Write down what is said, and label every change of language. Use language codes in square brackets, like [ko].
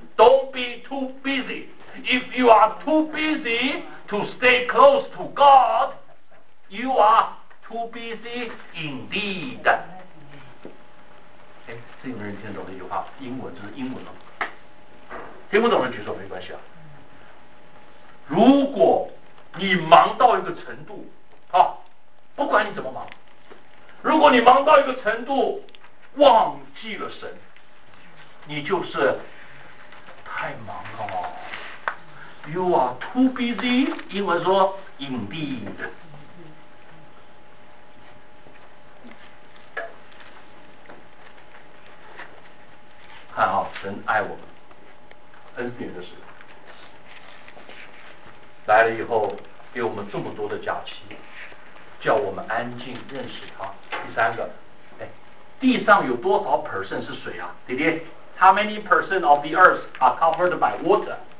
[en] don't be too busy， if you are too busy to stay close to GodYou are too busy indeed。 [zh] 哎，这有人听懂这句话？英文就是英文了，听不懂的举手没关系啊。如果你忙到一个程度啊，不管你怎么忙，如果你忙到一个程度忘记了神，你就是太忙了啊。 [en] You are too busy， [zh] 英文说 indeed。看啊，神爱我们，恩典的神来了以后给我们这么多的假期，叫我们安静认识他。第三个，哎，地上有多少 percent 是水啊？弟弟， [en] How many percent of the earth are covered by water？